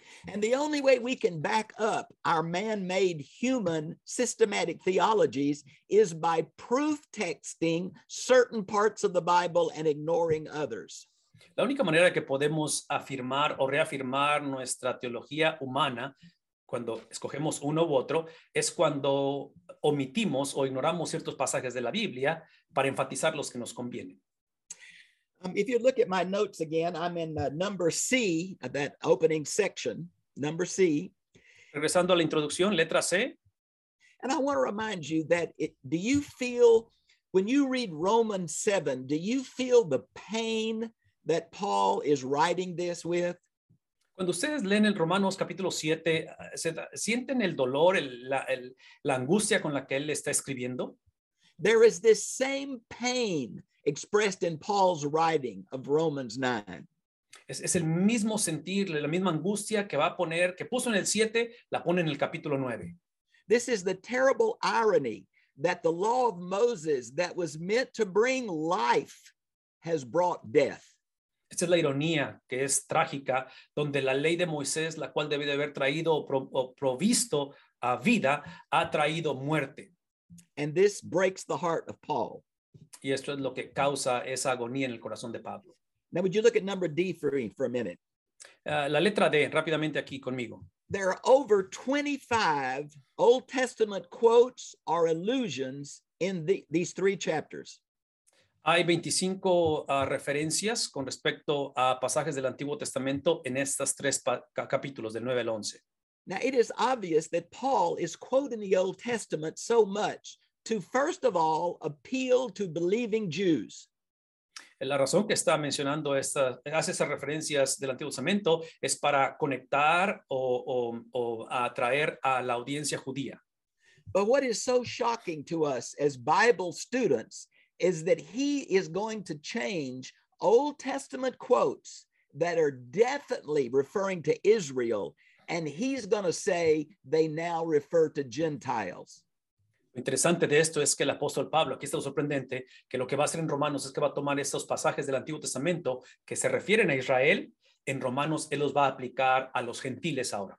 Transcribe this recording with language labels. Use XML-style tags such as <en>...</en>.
<en>And the only way we can back up our man-made human systematic theologies is by proof texting certain parts of the Bible and ignoring others.</en> <es>La única manera que podemos afirmar o reafirmar nuestra teología humana cuando escogemos uno u otro es cuando omitimos o ignoramos ciertos pasajes de la Biblia para enfatizar los que nos convienen.</es> <en>If you look at my notes again, I'm in number C of that opening section, number C.</en> <es>Regresando a la introducción, letra C.</es> <en>And I want to remind you that do you feel, when you read Romans 7, do you feel the pain that Paul is writing this with?</en> <es>Cuando ustedes leen el Romanos capítulo 7, ¿sienten el dolor, la angustia con la que él está escribiendo?</es> <en>There is this same pain expressed in Paul's writing of Romans 9.</en> <es>Es el mismo sentir, la misma angustia que va a poner, que puso en el 7, la pone en el capítulo 9.</es> <en>This is the terrible irony that the law of Moses that was meant to bring life has brought death.</en> <es>Esta es la ironía que es trágica, donde la ley de Moisés, la cual debe de haber traído o provisto a vida, ha traído muerte.</es> <en>And this breaks the heart of Paul.</en> <es>Y esto es lo que causa esa agonía en el corazón de Pablo.</es> <en>Now, would you look at number D for a minute?</en> <es>La letra D, rápidamente aquí conmigo.</es> <en>There are over 25 Old Testament quotes or allusions in these three chapters.</en> <es>Hay 25 referencias con respecto a pasajes del Antiguo Testamento en estas tres capítulos del 9 al 11.</es> <en>Now it is obvious that Paul is quoting the Old Testament so much to, first of all, appeal to believing Jews.</en> <es>La razón que está mencionando hace esas referencias del Antiguo Testamento es para conectar o atraer a la audiencia judía.</es> <en>But what is so shocking to us as Bible students is that he is going to change Old Testament quotes that are definitely referring to Israel, and he's going to say they now refer to Gentiles.</en> <es>Lo interesante de esto es que el apóstol Pablo, aquí está lo sorprendente, que lo que va a hacer en Romanos es que va a tomar estos pasajes del Antiguo Testamento que se refieren a Israel, en Romanos él los va a aplicar a los gentiles ahora.</es>